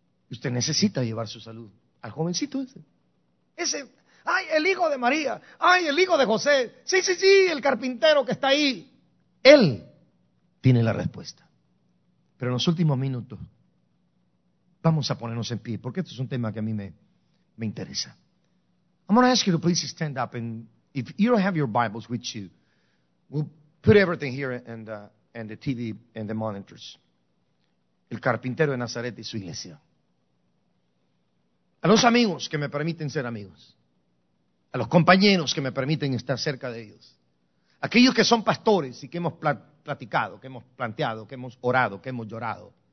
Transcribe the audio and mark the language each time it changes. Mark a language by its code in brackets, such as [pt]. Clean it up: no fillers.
[es] Usted necesita llevar su salud al jovencito ese. Ese... ¡Ay, el hijo de María! ¡Ay, el hijo de José! ¡Sí, sí, sí, el carpintero que está ahí! Él tiene la respuesta. Pero en los últimos minutos, vamos a ponernos en pie, porque esto es un tema que a mí me interesa. [en] I'm going to ask you to please stand up, and if you don't have your Bibles with you, we'll put everything here and the TV and the monitors. [es] El carpintero de Nazaret y su iglesia. A los amigos que me permiten ser amigos. A los compañeros que me permiten estar cerca de ellos. Aquellos que son pastores y que hemos platicado, que hemos planteado, que hemos orado, que hemos llorado.